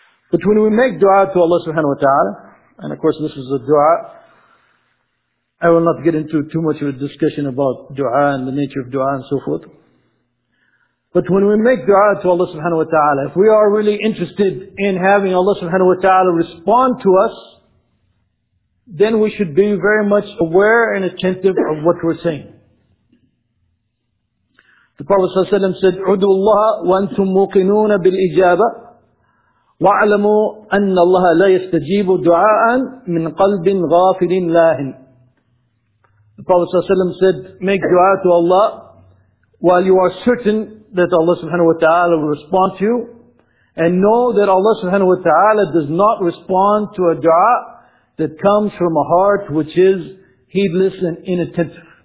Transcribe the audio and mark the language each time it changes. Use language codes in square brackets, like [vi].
[en] But when we make dua to Allah subhanahu wa ta'ala, and of course this is a dua, I will not get into too much of a discussion about dua and the nature of dua and so forth. But when we make dua to Allah subhanahu wa ta'ala, if we are really interested in having Allah subhanahu wa ta'ala respond to us, then we should be very much aware and attentive of what we're saying. The Prophet sallallahu alayhi wa sallam said, [ar] عُدُوا اللَّهَ وَأَنْتُمْ مُوقِنُونَ بِالْإِجَابَةِ وَعَلَمُوا أَنَّ اللَّهَ لَا يَسْتَجِيبُ دُعَاءً مِنْ قَلْبٍ غَافِلٍ لَاهٍ. [en] The Prophet sallallahu alayhi wa sallam said, make dua to Allah while you are certain that Allah subhanahu wa ta'ala will respond to you, and know that Allah subhanahu wa ta'ala does not respond to a dua that comes from a heart which is heedless and inattentive.